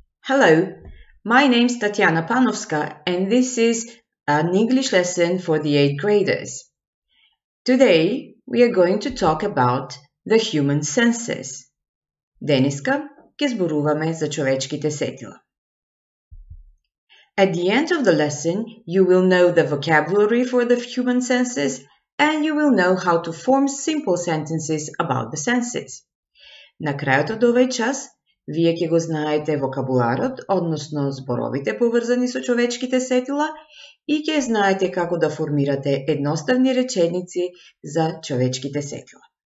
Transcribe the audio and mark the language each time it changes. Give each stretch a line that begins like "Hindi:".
English: Hello, my name's Tatiana Panovska, and this is an English lesson for the 8th graders. Today, we are going to talk about the human senses.
Macedonian: Денеска ќе зборуваме за човечките сетила.
English: At the end of the lesson, you will know the vocabulary for the human senses, and you will know how to form simple sentences about the senses.
Macedonian: На крајот од овој час, вие ќе го знаете вокабуларот, односно зборовите поврзани со човечките сетила и ќе знаете како да формирате едноставни реченици за човечките сетила.